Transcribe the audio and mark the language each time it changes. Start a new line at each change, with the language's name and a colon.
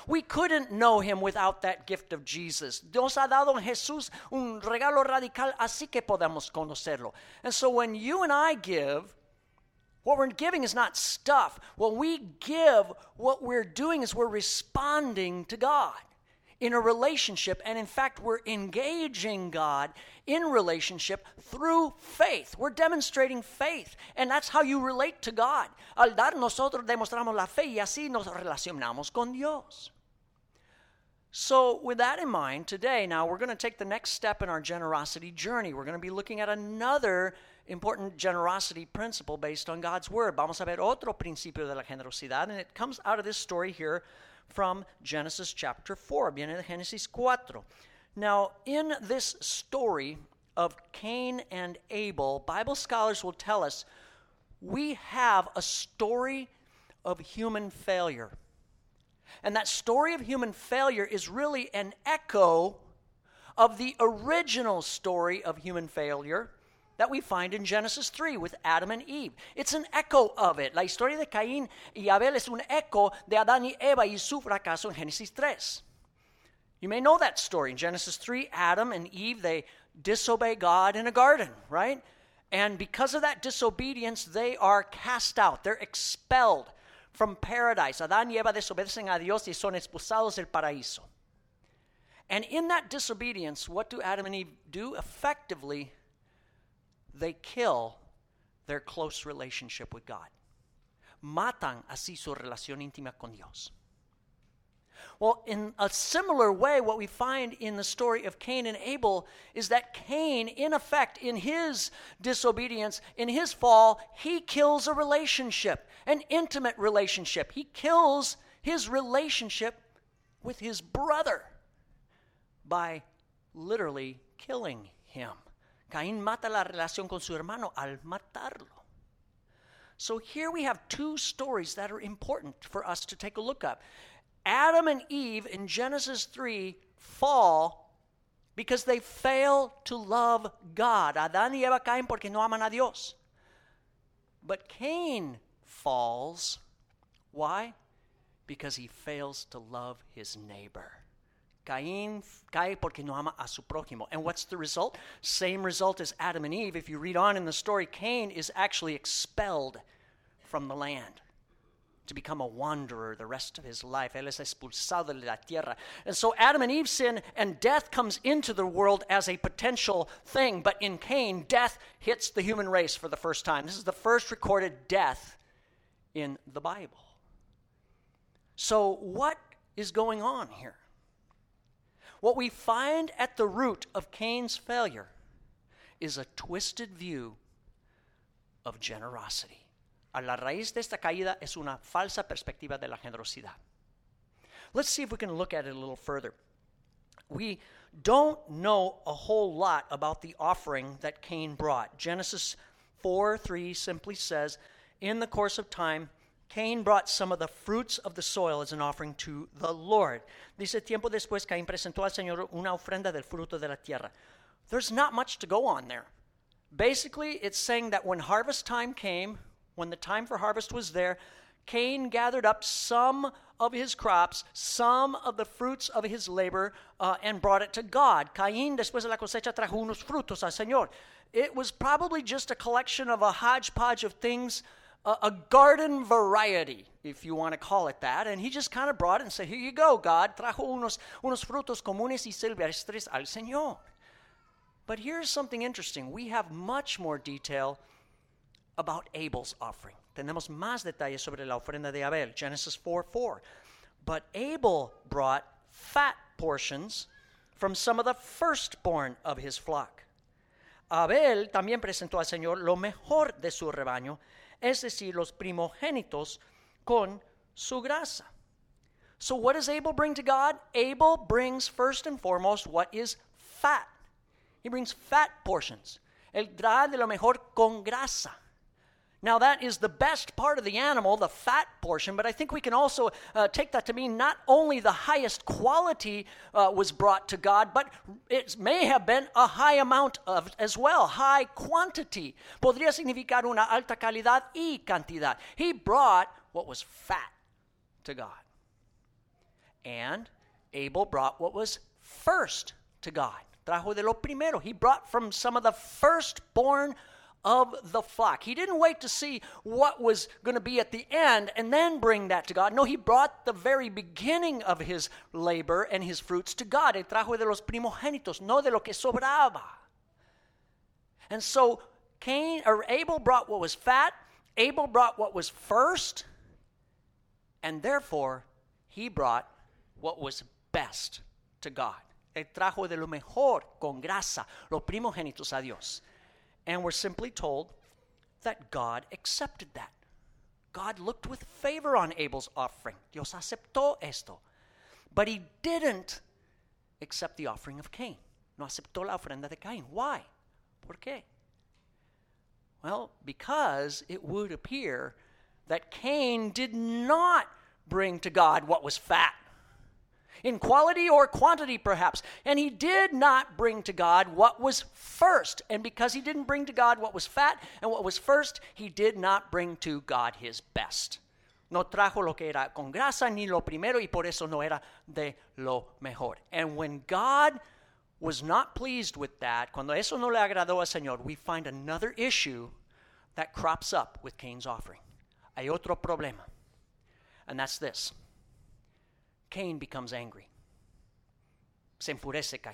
English: We couldn't know him without that gift of Jesus.
Spanish: Dios ha dado en Jesús un regalo radical, así que podemos conocerlo.
English: And so when you and I give, What we're giving is not stuff. What we give, what we're doing is we're responding to God in a relationship. And in fact, we're engaging God in relationship through faith. We're demonstrating faith. And that's how you relate to God.
Spanish: Al dar, nosotros demostramos la fe y así nos relacionamos con Dios.
English: So with that in mind, today now we're going to take the next step in our generosity journey. We're going to be looking at another important generosity principle based on God's word.
Spanish: Vamos a ver otro principio de la generosidad,
English: and it comes out of this story here from Genesis chapter 4.
Spanish: Viene de Genesis 4.
English: Now, in this story of Cain and Abel, Bible scholars will tell us we have a story of human failure. And that story of human failure is really an echo of the original story of human failure that we find in Genesis 3 with Adam and Eve. It's an echo of it.
Spanish: La historia de Caín y Abel es un echo de Adán y Eva y su fracaso en Genesis 3.
English: You may know that story. In Genesis 3, Adam and Eve, they disobey God in a garden, right? And because of that disobedience, they are cast out. They're expelled from paradise.
Spanish: Adán y Eva desobedecen a Dios y son expulsados del paraíso.
English: And in that disobedience, what do Adam and Eve do? Effectively, they kill their close relationship with God.
Spanish: Matan así su relación íntima con Dios.
English: Well, in a similar way, what we find in the story of Cain and Abel is that Cain, in effect, in his disobedience, in his fall, he kills a relationship, an intimate relationship. He kills his relationship with his brother by literally killing him.
Spanish: Caín mata la relación con su hermano al matarlo.
English: So here we have two stories that are important for us to take a look at. Adam and Eve in Genesis 3 fall because they fail to love God.
Spanish: Adán y Eva caen porque no aman a Dios.
English: But Cain falls. Why? Because he fails to love his neighbor.
Spanish: Caín cae porque no ama a su prójimo.
English: And what's the result? Same result as Adam and Eve. If you read on in the story, Cain is actually expelled from the land to become a wanderer the rest of his life.
Spanish: Él es expulsado de la tierra.
English: And so Adam and Eve sin, and death comes into the world as a potential thing. But in Cain, death hits the human race for the first time. This is the first recorded death in the Bible. So what is going on here? What we find at the root of Cain's failure is a twisted view of generosity.
Spanish: A la raíz de esta caída es una falsa perspectiva de la generosidad.
English: Let's see if we can look at it a little further. We don't know a whole lot about the offering that Cain brought. Genesis 4:3 simply says, in the course of time, Cain brought some of the fruits of the soil as an offering to the Lord.
Spanish: Dice, tiempo después, Cain presentó al Señor una ofrenda del fruto de la tierra.
English: There's not much to go on there. Basically, it's saying that when harvest time came, when the time for harvest was there, Cain gathered up some of his crops, some of the fruits of his labor, and brought it to God.
Spanish: Cain, después de la cosecha, trajo unos frutos al Señor.
English: It was probably just a collection of a hodgepodge of things, a garden variety, if you want to call it that. And he just kind of brought it and said, here you go, God.
Spanish: Trajo unos frutos comunes y silvestres al Señor.
English: But here's something interesting. We have much more detail about Abel's offering.
Spanish: Tenemos más detalles sobre la ofrenda de Abel, Genesis 4:4.
English: But Abel brought fat portions from some of the firstborn of his flock.
Spanish: Abel también presentó al Señor lo mejor de su rebaño, es decir, los primogénitos con su grasa.
English: So what does Abel bring to God? Abel brings first and foremost what is fat. He brings fat portions.
Spanish: Él trae de lo mejor con grasa.
English: Now that is the best part of the animal, the fat portion, but I think we can also take that to mean not only the highest quality was brought to God, but it may have been a high amount of as well, high quantity.
Spanish: Podría significar una alta calidad y cantidad.
English: He brought what was fat to God. And Abel brought what was first to God.
Spanish: Trajo de lo primero.
English: He brought from some of the firstborn of the flock. He didn't wait to see what was going to be at the end and then bring that to God. No, he brought the very beginning of his labor and his fruits to God.
Spanish: El trajo de los primogénitos, no de lo que sobraba.
English: And so Abel brought what was fat, Abel brought what was first, and therefore he brought what was best to God.
Spanish: El trajo de lo mejor con grasa, los primogénitos a Dios.
English: And we're simply told that God accepted that. God looked with favor on Abel's offering.
Spanish: Dios aceptó esto.
English: But he didn't accept the offering of Cain.
Spanish: No aceptó la ofrenda de Cain.
English: Why?
Spanish: ¿Por qué?
English: Well, because it would appear that Cain did not bring to God what was fat, in quality or quantity, perhaps. And he did not bring to God what was first. And because he didn't bring to God what was fat and what was first, he did not bring to God his best.
Spanish: No trajo lo que era con grasa ni lo primero, y por eso no era de lo mejor.
English: And when God was not pleased with that,
Spanish: cuando eso no le agradó al Señor,
English: we find another issue that crops up with Cain's offering.
Spanish: Hay otro problema.
English: And that's this. Cain becomes angry.
Spanish: Se enfurece Cain.